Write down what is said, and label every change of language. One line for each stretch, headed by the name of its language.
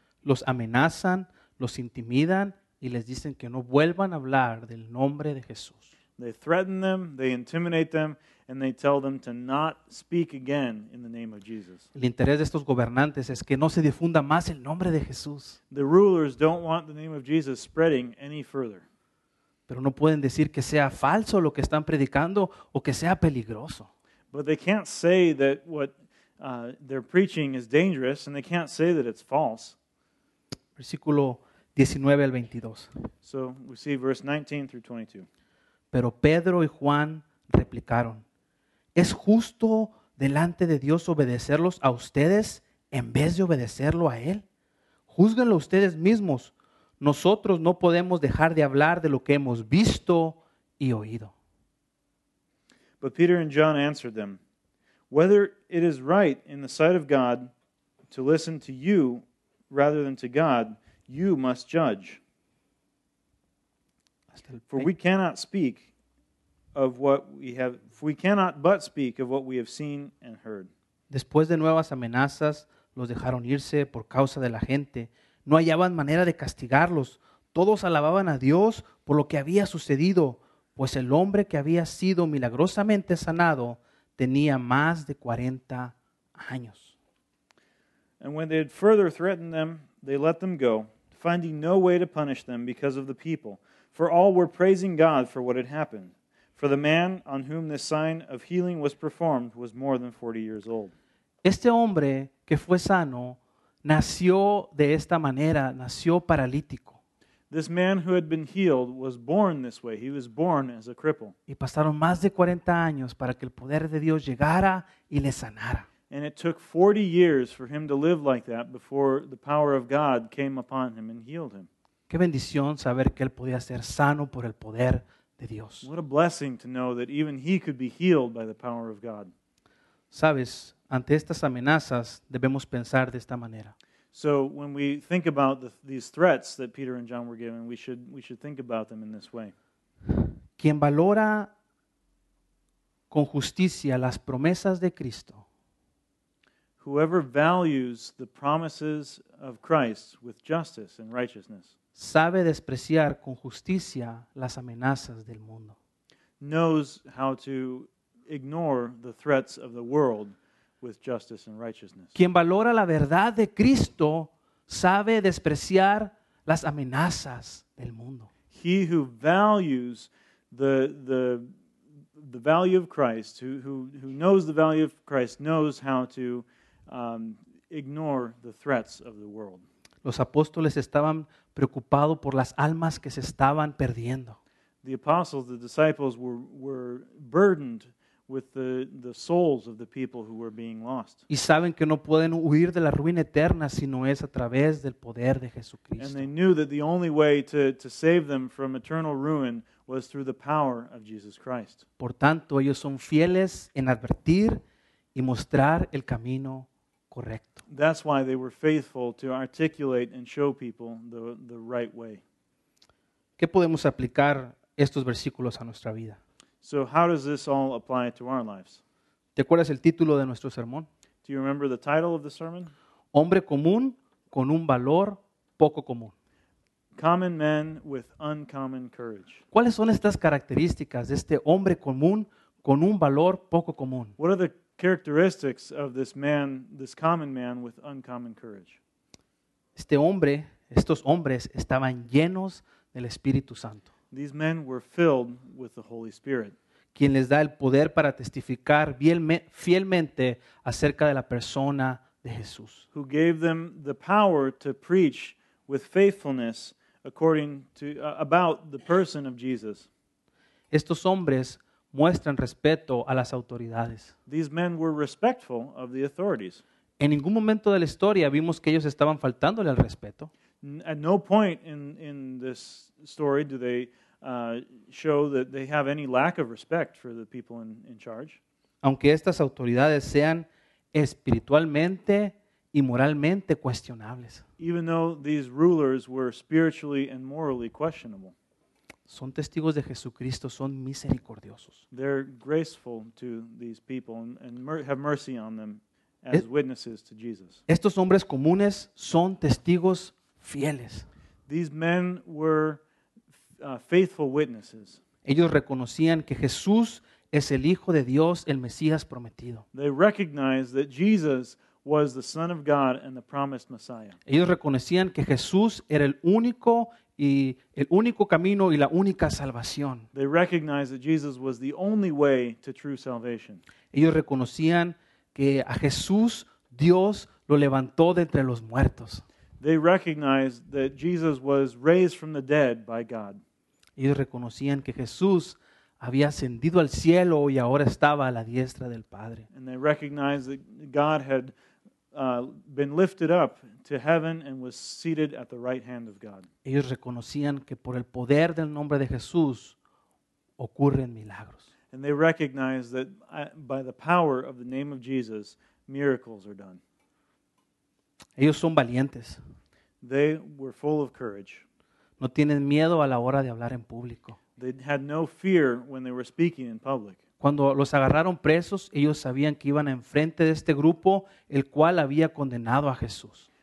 Spanish: Los amenazan, los intimidan y les dicen que no vuelvan a hablar del nombre de Jesús.
English: They threaten them, they intimidate them, and they tell them to not speak again in the name of Jesus.
Spanish: El interés de estos gobernantes es que no se difunda más el nombre de Jesús.
English: The rulers don't want the name of Jesus spreading any further.
Spanish: Pero no pueden decir que sea falso lo que están predicando o que sea peligroso.
English: But they can't say that what they're preaching is dangerous, and they can't say that it's false.
Spanish: Versículo 19 al 22.
English: So we see verse 19 through 22.
Spanish: Pero Pedro y Juan replicaron, ¿es justo delante de Dios obedecerlos a ustedes en vez de obedecerlo a Él? Júzguenlo ustedes mismos. Nosotros no podemos dejar de hablar de lo que hemos visto y oído.
English: But Peter and John answered them, whether it is right in the sight of God to listen to you rather than to God, you must judge. For we cannot speak of what we have, for we cannot but speak of what we have seen and heard.
Spanish: Después de nuevas amenazas, los dejaron irse por causa de la gente. No hallaban manera de castigarlos. Todos alababan a Dios por lo que había sucedido, pues el hombre que había sido milagrosamente sanado tenía más de 40 años.
English: And when they had further threatened them, they let them go, finding no way to punish them because of the people. For all were praising God for what had happened. For the man on whom this sign of healing was performed was more than 40 years old.
Spanish: Este hombre que fue sano nació de esta manera, nació paralítico.
English: This man who had been healed was born this way. He was born as a cripple.
Spanish: Y pasaron más de 40 años para que el poder de Dios llegara y le sanara.
English: And it took 40 years for him to live like that before the power of God came upon him and healed him.
Spanish: Qué bendición saber que él podía ser sano por el poder de Dios.
English: What a blessing to know that even he could be healed by the power of God.
Spanish: Sabes, ante estas amenazas debemos pensar de esta manera.
English: So when we think about these threats that Peter and John were given, we should think about them in this way.
Spanish: Quien valora con justicia las promesas de Cristo.
English: Whoever values the promises of Christ with justice and righteousness
Spanish: sabe despreciar con justicia las amenazas del mundo.
English: Knows how to ignore the threats of the world with justice and righteousness.
Spanish: Quien valora la verdad de Cristo sabe despreciar las amenazas del mundo.
English: He who values the the value of Christ, who knows the value of Christ, knows how to ignore the threats of the world.
Spanish: Los apóstoles estaban preocupados por las almas que se estaban perdiendo.
English: The apostles, the disciples, were burdened with the souls of the people who were being lost.
Spanish: Y saben que no pueden huir de la ruina eterna si no es a través del poder de Jesucristo.
English: And they knew that the only way to save them from eternal ruin was through the power of Jesus Christ.
Spanish: Por tanto, ellos son fieles en advertir y mostrar el camino correcto.
English: That's why they were faithful to articulate and show people the right way.
Spanish: ¿Qué podemos aplicar estos versículos a nuestra vida?
English: So how does this all apply to our lives?
Spanish: ¿Te acuerdas el título de nuestro sermón?
English: Do you remember the title of the sermon?
Spanish: Hombre común con un valor poco común.
English: Common man with uncommon courage.
Spanish: ¿Cuáles son estas características de este hombre común con un valor poco común?
English: What are the characteristics of this man, this common man with uncommon courage?
Spanish: Este hombre, estos hombres estaban llenos del Espíritu Santo.
English: These men were filled with the Holy Spirit.
Spanish: Quien les da el poder para testificar fielmente acerca de la persona de Jesús.
English: Who gave them the power to preach with faithfulness about the person of Jesus.
Spanish: Estos hombres muestran respeto a las autoridades.
English: These men were respectful of the authorities.
Spanish: En ningún momento de la historia vimos que ellos estaban faltándole al respeto.
English: At no point in this story do they show that they have any lack of respect for the people in charge.
Spanish: Aunque estas autoridades sean espiritualmente y moralmente cuestionables.
English: Even though these rulers were spiritually and morally questionable.
Spanish: Son testigos de Jesucristo, son misericordiosos.
English: They're graceful to these people and have mercy on them as witnesses to Jesus.
Spanish: Estos hombres comunes son testigos fieles.
English: These men were faithful witnesses.
Spanish: Ellos reconocían que Jesús es el Hijo de Dios, el Mesías prometido.
English: They recognized that Jesus was the Son of God and the promised Messiah.
Spanish: Ellos reconocían que Jesús era el único camino y la única salvación.
English: They recognized that Jesus was the only way to true salvation.
Spanish: Ellos reconocían que a Jesús Dios lo levantó de entre los muertos.
English: They recognized that Jesus was raised from the dead by God.
Spanish: Ellos reconocían que Jesús había ascendido al cielo y ahora estaba a la diestra del Padre.
English: And they recognized that God had been lifted up to heaven and was seated at the right hand of God.
Spanish: Ellos reconocían que por el poder del nombre de Jesús ocurren milagros.
English: And they recognized that by the power of the name of Jesus, miracles are done.
Spanish: Ellos son valientes.
English: They were full of courage.
Spanish: No tienen miedo a la hora de hablar en público.
English: They had no fear when they were speaking in public.
Spanish: Cuando los agarraron presos, ellos sabían que iban enfrente de este grupo, el cual había condenado a Jesús.